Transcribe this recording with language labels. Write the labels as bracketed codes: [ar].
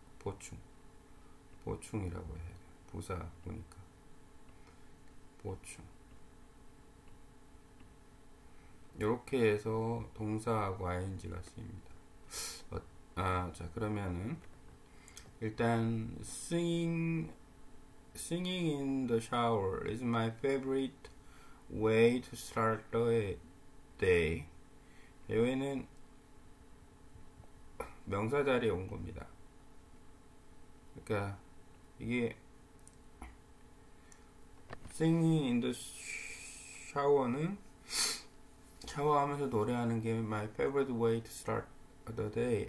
[en] 보충이라고 해야 돼. 부사 보니까 보충. 이렇게 해서 동사하고 ing가 쓰입니다. [ko] 자, 그러면은 일단 [en] singing in the shower is my favorite way to start the day. [ko] 여기는 명사 자리에 온 겁니다. 그러니까 이게 [en] singing in the shower [ko] 는 샤워하면서 노래하는 게 [en] my favorite way to start the day.